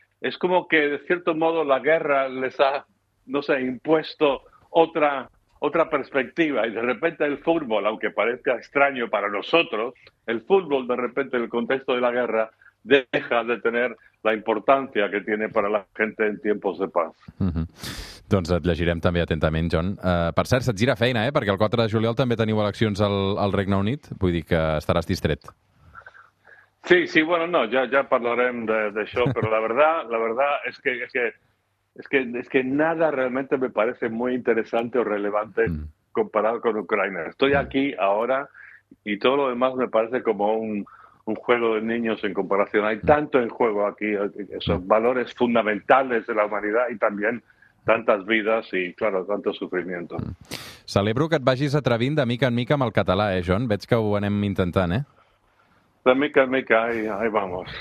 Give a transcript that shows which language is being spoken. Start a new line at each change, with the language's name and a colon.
Spanish: Es como que, de cierto modo, la guerra les ha, no sé, impuesto otra perspectiva, y de repente el fútbol, aunque parezca extraño para nosotros, el fútbol, de repente, en el contexto de la guerra, deja de tener la importancia que tiene para la gente en tiempos de paz.
Catalan: Doncs et llegirem també atentament, John. Per cert, se't gira feina, perquè el 4 de juliol també teniu eleccions al Regne Unit, vull dir que estaràs distret.
Spanish: Sí, bueno, no,
Catalan: ja parlarem d'això, però
Spanish: la verdad es que nada realmente me parece muy interesante o relevante comparado con Ucrania. Estoy aquí ahora y todo lo demás me parece como un juego de niños en comparación. Hay tanto en juego aquí, esos valores fundamentales de la humanidad y también tantas vidas y, claro, tanto sufrimiento.
Catalan: Celebro que et vagis atrevint de mica en mica amb el català, John. Veig que ho anem intentant, De mica en mica,
Spanish: ahí vamos.